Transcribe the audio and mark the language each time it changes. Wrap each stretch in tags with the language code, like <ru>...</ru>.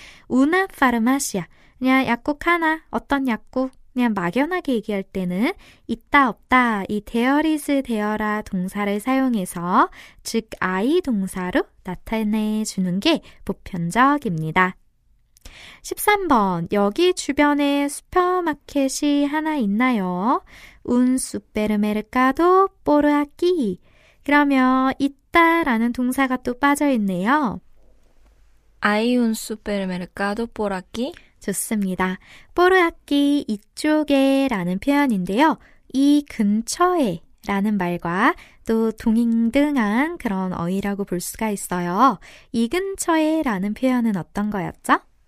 <es>una farmacia</es> <ko>그냥 약국 하나 어떤 약국 그냥 막연하게 얘기할 때는 있다 없다 이</ko> <en>there is, there</en> <ko>아 동사를 사용해서 즉 I 동사로 나타내 주는 게 보편적입니다. 13번 여기 주변에 슈퍼마켓이 하나 있나요?</ko> <es>Un supermercado por aquí.</es> <ko>그러면 있다라는 동사가 또 빠져 있네요.</ko> <es>Hay un supermercado por aquí?</es> <ko>좋습니다. 뽀르악기 이쪽에라는 표현인데요. 이 근처에라는 말과 또 동등한 그런 어휘라고 볼 수가 있어요. 이 근처에라는 표현은 어떤 거였죠?</ko>